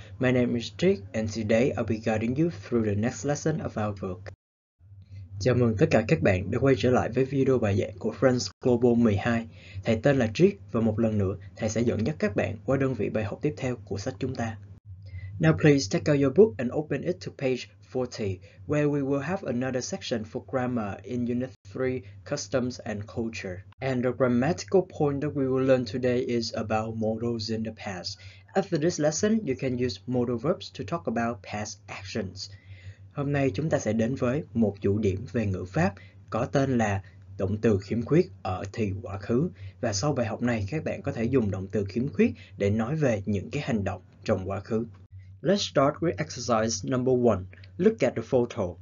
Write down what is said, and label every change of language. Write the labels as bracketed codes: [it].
[en] My name is Trick and today I'll be guiding you through the next lesson of our book. [vi] Chào mừng tất cả các bạn đã quay trở lại với video bài giảng của Ron's Global 12. Thầy tên là Trick và một lần nữa thầy sẽ dẫn dắt các bạn qua đơn vị bài học tiếp theo của sách chúng ta. [en] Now please take out your book and open it to page 40, where we will have another section for grammar in Unit 3, Customs and Culture. And the grammatical point that we will learn today is about modals in the past. After this lesson, you can use modal verbs to talk about past actions. [vi] Hôm nay chúng ta sẽ đến với một vụ điểm về ngữ pháp có tên là động từ khiếm khuyết ở thì quá khứ. Và sau bài học này, các bạn có thể dùng động từ khiếm khuyết để nói về những cái hành động trong quá khứ. [en] Let's start with exercise number one. Look at the photo.